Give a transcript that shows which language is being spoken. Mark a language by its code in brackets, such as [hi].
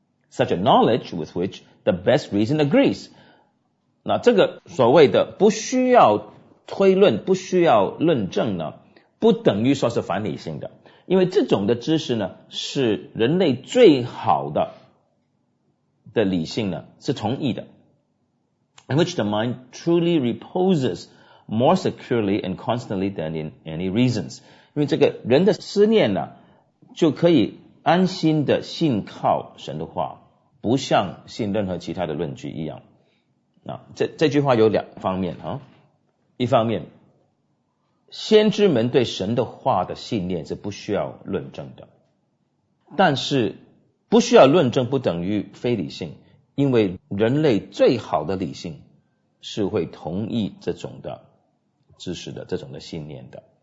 [en] Such a knowledge with which the best reason agrees， [zh] 那这个所谓的不需要推论，不需要论证呢，不等于说是反理性的，因为这种的知识呢，是人类最好的的理性呢，是同意的。 [en] In which the mind truly reposes more securely and constantly than in any reasons. [zh] 因为这个人的思念呢，就可以安心的信靠神的话，不像信任何其他的论据一样。那这句话有两方面啊，一方面先知们对神的话的信念是不需要论证的，但是不需要论证不等于非理性，因为人类最好的理性是会同意这种的知识的，这种的信念的。